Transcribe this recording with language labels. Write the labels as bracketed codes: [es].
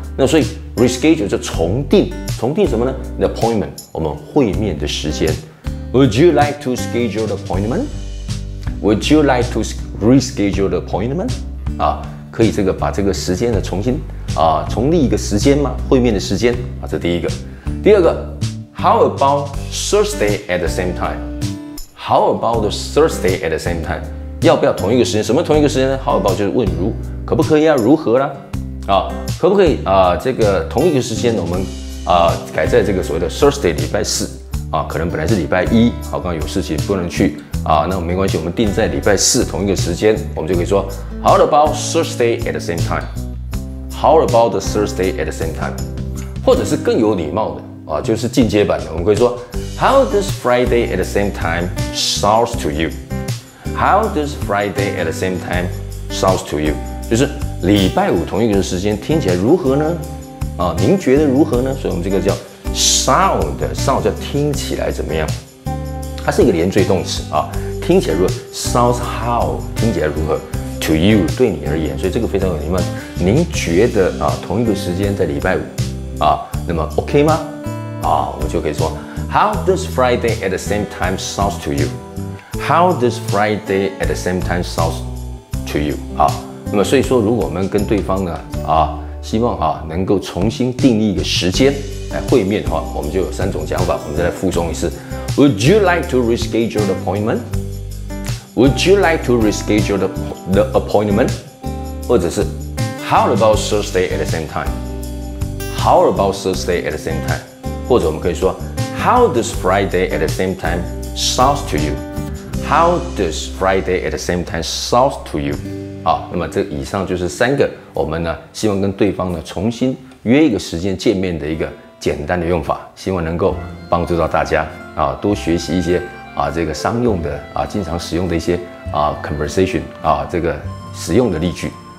[zh] 那所以 Reschedule 就重定什么呢？ [en] The appointment， [zh] 我们会面的时间。 [en] Would you like to schedule the appointment? Would you like to reschedule the appointment? [zh] 可以这个把这个时间重新重立一个时间吗？会面的时间啊，这第一个。第二个， [en] How about Thursday at the same time? How about Thursday at the same time? [zh] 要不要同一个时间？什么同一个时间呢？ How about 就是问如，可不可以啊？如何啦？啊，可不可以啊？这个同一个时间，我们啊改在这个所谓的 Thursday 礼拜四啊，可能本来是礼拜一，好，刚有事情不能去啊，那没关系，我们定在礼拜四同一个时间，我们就可以说 [en] How about Thursday at the same time? How about the Thursday at the same time? [zh] 或者是更有礼貌的。就是进阶版的，我们可以说 [en] How does Friday at the same time sounds to you? How does Friday at the same time sounds to you? [zh] 就是礼拜五同一个时间听起来如何呢？您觉得如何呢？所以我们这个叫 sound 叫听起来怎么样？它是一个连缀动词啊，听起来如何 ？ [en] Sounds how [zh] 听起来如何 ？ [en] To you [zh] 对你而言，所以这个非常有礼貌。您觉得啊，同一个时间在礼拜五啊，那么 OK 吗？我们就可以说 [en] How does Friday at the same time sounds to you? How does Friday at the same time sounds to you? [zh] 那么所以说如果我们跟对方呢希望能够重新定义一个时间来会面的话，我们就有三种讲法，我们再来附送一次。 [en] Would you like to reschedule the appointment? Would you like to reschedule the appointment? [zh] 或者是 [en] How about Thursday at the same time? How about Thursday at the same time? [zh] 或者我们可以说 [en] How does Friday at the same time sounds to you? How does Friday at the same time sounds to you? [zh] 那么这以上就是三个我们呢希望跟对方呢重新约一个时间见面的一个简单的用法，希望能够帮助到大家多学习一些这个商用的经常使用的一些conversation 这个实用的例句。